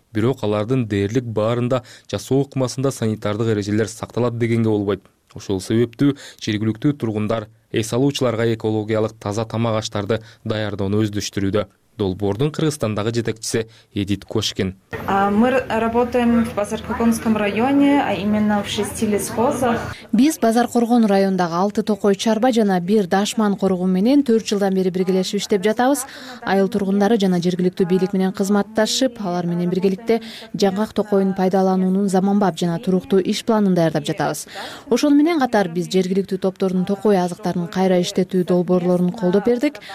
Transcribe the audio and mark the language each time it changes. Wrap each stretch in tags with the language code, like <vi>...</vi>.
<ky>Бирок алардын дээрлик баарында жасоо ыкмасында санитардык эрежелер сакталат дегенге болбойт. Ошол себептүү жергиликтүү тургундар эс алуучуларга экологиялык таза тамак аштарды даярдоону өздөштүрүүдө. Долбоордун Кыргызстандагы жетекчиси Эдит Кошкин.</ky> <ru>Мы работаем в Базаркоргонском районе, а именно в 6 лесхозах.</ru> <ky>Биз Базаркоргон районундагы 6 токой чарба жана 1 дашман коругу менен 4 жылдан бери биргелешип иштеп жатабыз. Айыл тургундары жана жергиликтүү бийлик менен кызматташып, алар менен биргеликте жаңгак токоюн пайдалануунун заманбап жана туруктуу иш планын даярдап жатабыз. Ошону менен катар биз жергиликтүү топтордун токой азыктарын кайра иштетүү долбоорлорун колдоп бердик.</ky>